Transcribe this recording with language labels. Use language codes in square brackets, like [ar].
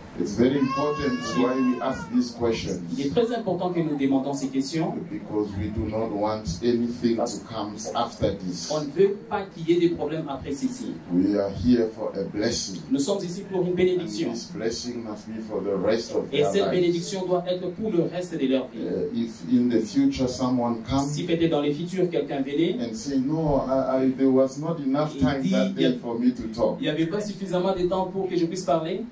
[en] It's very important why we ask these questions. [fr] Il est très important que nous demandons ces questions. [en] Because we do not want anything to come after this. [fr] On ne veut pas qu'il y ait des problèmes après ceci. [en] We are here for a blessing. [fr] Nous sommes ici pour une bénédiction. [en] And this blessing must be for the rest of their lives. [fr] Et cette bénédiction doit être pour le reste de leur vie. [en] If in the future someone comes, [fr] si peut-être dans le futur quelqu'un venait, [en] and say, no, I there was not enough time that day for me to talk. [fr] Il n'y avait pas suffisamment de temps pour que je puisse parler.